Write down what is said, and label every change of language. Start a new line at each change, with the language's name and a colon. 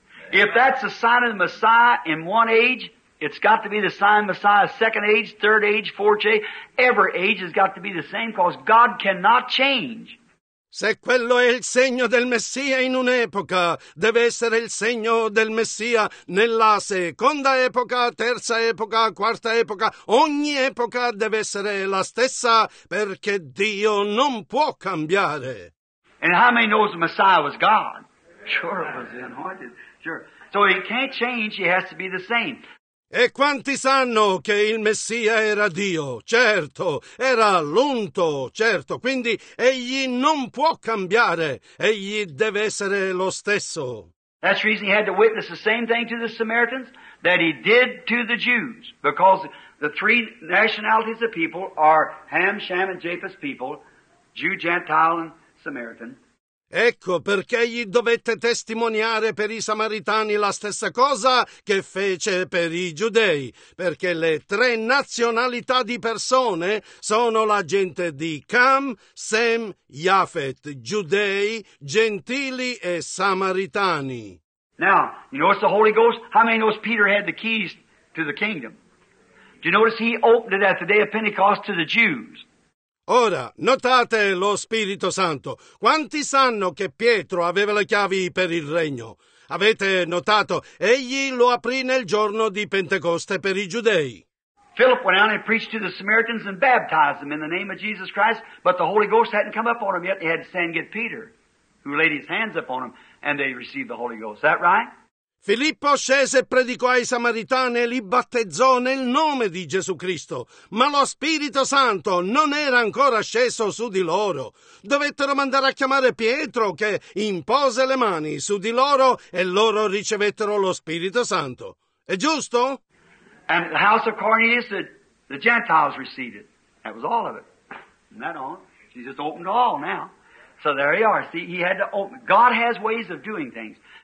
English: If that's the sign of the Messiah in one age, it's got to be the sign of the Messiah second age, third age, fourth age. Every age has got to be the same, because God cannot change.
Italian: Se quello è il segno del Messia in un'epoca, deve essere il segno del Messia nella seconda epoca, terza epoca, quarta epoca. Ogni epoca deve essere la stessa, perché Dio non può cambiare.
English: And how many knows the Messiah was God? Sure it was anointed. Sure. So he can't change, he has to be the same.
Italian: E quanti sanno che il Messia era Dio? Certo, era l'unto, certo, quindi egli non può cambiare, egli deve essere lo stesso.
English: That's the reason he had to witness the same thing to the Samaritans that he did to the Jews, because the three nationalities of people are Ham, Shem, and Japheth's people, Jew, Gentile, and Samaritan.
Italian: Ecco perché gli dovette testimoniare per i samaritani la stessa cosa che fece per i giudei, perché le tre nazionalità di persone sono la gente di Cam, Sem, Japhet, giudei, gentili e samaritani.
English: Now, you notice the Holy Ghost? How many knows Peter had the keys to the kingdom? Do you notice he opened it at the day of Pentecost to the Jews?
Italian: Ora, notate lo Spirito Santo. Quanti sanno che Pietro aveva le chiavi per il regno? Avete notato? Egli lo aprì nel giorno di Pentecoste per i giudei.
English: Philip went out and preached to the Samaritans and baptized them in the name of Jesus Christ, but the Holy Ghost hadn't come upon them yet. They had to stand and get Peter, who laid his hands upon them, and they received the Holy Ghost. Is that right?
Italian: Filippo scese e predicò ai samaritani e li battezzò nel nome di Gesù Cristo, ma lo Spirito Santo non era ancora sceso su di loro. Dovettero mandare a chiamare Pietro, che impose le mani su di loro e loro ricevettero lo Spirito Santo. È giusto?
English: And the house of Cornelius, the Gentiles received it. That was all of it. From that on, Jesus opened all now. So there you are. See, he had to open. God has ways of doing things.